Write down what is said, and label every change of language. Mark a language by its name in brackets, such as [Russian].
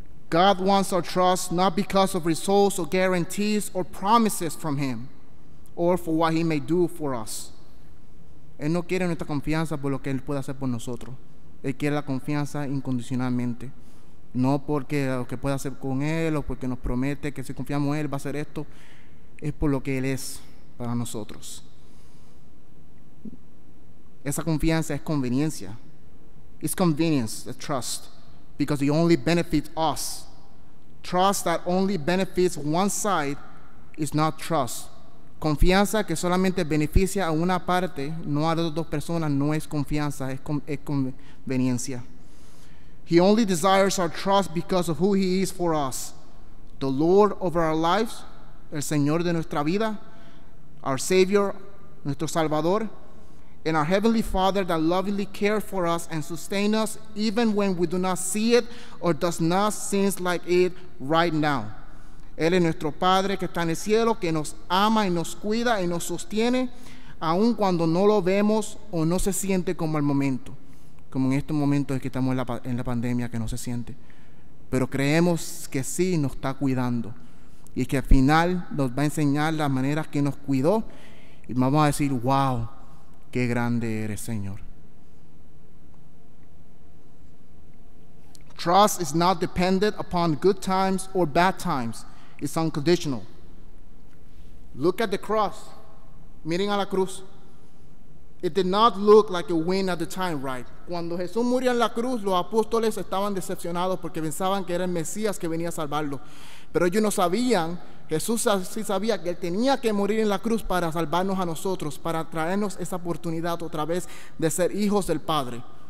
[English] God wants our trust not because of results or guarantees or promises from Him or for what He may do for us. [Spanish] Él no quiere nuestra confianza por lo que Él puede hacer por nosotros. Él quiere la confianza incondicionalmente. No porque lo que pueda hacer con Él o porque nos promete que si confiamos en Él va a hacer esto. Es por lo que Él es para nosotros. Esa confianza es conveniencia. [English] It's convenience, the trust, because it only benefits us. Trust that only benefits one side is not trust. [Spanish] Confianza que solamente beneficia a una parte, no a las dos personas, no es confianza, es conveniencia. [English] He only desires our trust because of who He is for us. The Lord over our lives, [Spanish] el Señor de nuestra vida, [English] our Savior, [Spanish] nuestro Salvador, [English] and our Heavenly Father that lovingly cares for us and sustains us even when we do not see it or does not seem like it right now. [Spanish] Él es nuestro Padre que está en el cielo, que nos ama y nos cuida y nos sostiene aun cuando no lo vemos o no se siente como al momento. Como en este momento es que estamos en la pandemia, que no se siente. Pero creemos que sí nos está cuidando. Y que al final nos va a enseñar las maneras que nos cuidó. Y vamos a decir, wow, qué grande eres, Señor. [English] Trust is not dependent upon good times or bad times. It's unconditional. Look at the cross. [Spanish] Miren a la cruz. [English] It did not look like a win at the time, right? [Spanish] Cuando Jesús murió en la cruz, los apóstoles estaban decepcionados porque pensaban que era el Mesías que venía a salvarlo. Pero ellos no sabían, Jesús sí sabía que Él tenía que morir en la cruz para salvarnos a nosotros, para traernos esa oportunidad otra vez de ser hijos del Padre.